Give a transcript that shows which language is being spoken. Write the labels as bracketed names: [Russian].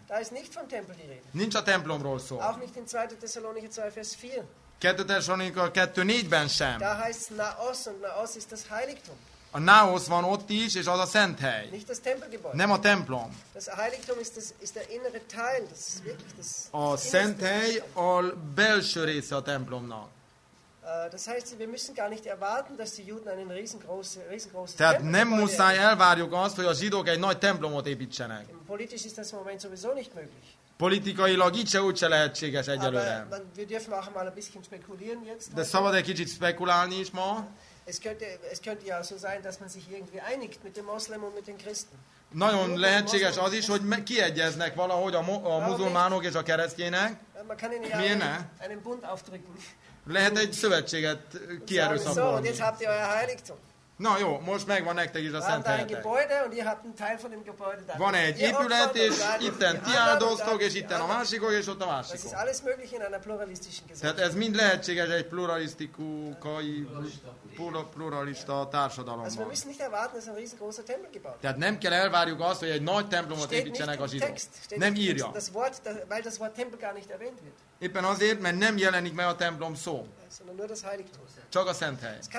[German] Da ist nicht vom Tempel die Rede. [Hungarian] Nincs a templomról szó. [German] Auch nicht in 2. Thessalonicher 2, Vers 4. [Hungarian] 2. Thessalonicher 2:4-ben sem. [German] Da heißt Naos, und Naos ist das Heiligtum. [Hungarian] A Naos van ott is, és az a szent hely. [German] Nicht das Tempelgebäude. [Hungarian] Nem a templom. [German] Das Heiligtum ist der innere Teil. Das ist wirklich das. [Hungarian] A szent hely a belső része a templomnak. [German] Das heißt, wir müssen gar nicht erwarten, dass die Juden einen riesengroßen Tempel bauen. [Hungarian] Nem muszáj elvárjuk azt, hogy a zsidók egy nagy templomot építsenek. [German] Politisch ist das im Moment sowieso nicht möglich. [Hungarian] Politikailag így se úgyse lehetséges egyelőre. [German] Wir dürfen auch mal ein bisschen spekulieren jetzt. [Hungarian] De szabad egy kicsit spekulálni is ma. [German] Es könnte ja so sein, dass man sich irgendwie einigt mit dem Moslem und mit den Christen. [Hungarian] Nagyon lehetséges az is, hogy kiegyeznek valahogy a muzulmánok és a keresztények. [German] Man kann ihnen ja einen Bund aufdrücken. [Hungarian] Lehet egy szövetséget kierőszabolni. [German] So, und jetzt habt ihr euer Heiligtum. [Hungarian] Na jó, most megvan nektek is a szent helyetek. Van egy [German] Gebäude, und ihr habt einen Teil von dem Gebäude. [Hungarian] Van egy épület, és itten ti áldoztok, és itten a másikok, és ott a másikok. [German] Das ist alles möglich in einer pluralistischen Gesellschaft. [Hungarian] Tehát ez mind lehetséges egy pluralistikai, pluralista társadalomban. [German] Also wir müssen nicht erwarten, dass ein riesengroßer Tempel gebaut. [Hungarian] Tehát nem kell elvárjuk azt, hogy egy nagy templomot építsenek a zsidók. Nem írja. [German] Das Wort, weil das Wort Tempel gar nicht erwähnt wird. [Hungarian] Éppen azért, mert nem jelenik meg a templom szó. Csak a szent hely.